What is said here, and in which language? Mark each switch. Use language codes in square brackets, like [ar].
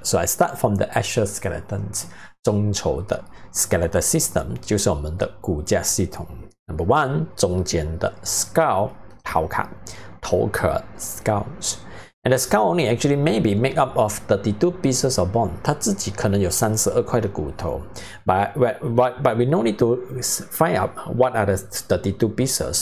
[en] So I start from the exoskeletons, [zh] 中轴的. [en] Skeletal system, [zh] 就是我们的骨架系统. [en] Number one, [zh] 中间的. [en] Skull, 头壳.头壳, skulls. And the skull only actually may be made up of 32 pieces of bone. [zh] 它自己可能有32块的骨头. [en] But we no need to find out what are the 32 pieces.